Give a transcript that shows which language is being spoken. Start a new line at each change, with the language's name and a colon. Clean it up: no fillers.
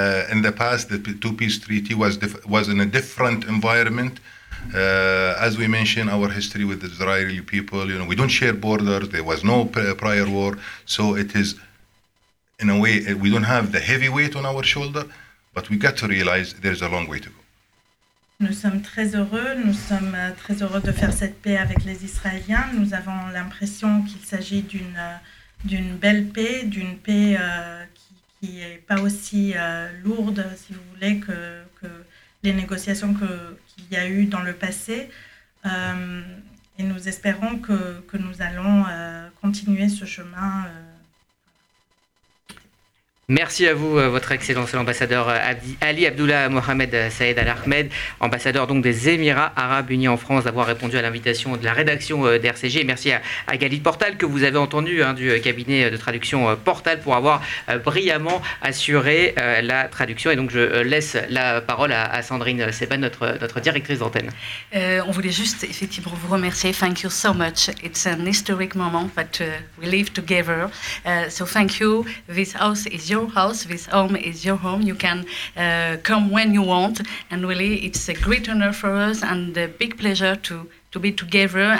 English: In the past, the two peace treaty was in a different environment. As we mentioned, our history with the Israeli people, you know, we don't share borders. There was no prior war. So it is... In a way, we don't have the heavy weight on our shoulder, but we got to realize there's a long way to go.
French: Nous sommes très heureux. Nous sommes très heureux de faire cette paix avec les Israéliens. Nous avons l'impression qu'il s'agit d'une belle paix, d'une paix qui est pas aussi lourde, si vous voulez, que les négociations qu'il y a eu dans le passé. Et nous espérons que nous allons continuer ce chemin. Merci à vous, Votre Excellence l'ambassadeur Ali Abdullah Mohamed Saïd Al-Ahmed, ambassadeur donc des Émirats Arabes Unis en France, d'avoir répondu à l'invitation de la rédaction d'RCG. Merci à Galit Portal, que vous avez entendu, hein, du cabinet de traduction Portal, pour avoir brillamment assuré la traduction. Et donc, je laisse la parole à Sandrine Seban, notre directrice d'antenne. On voulait juste effectivement vous remercier.
English: Thank you so much. It's an historic moment that we live together. So thank you. This house is your your house. This home is your home. You can come when you want. And really, it's a great honor for us and a big pleasure to be together.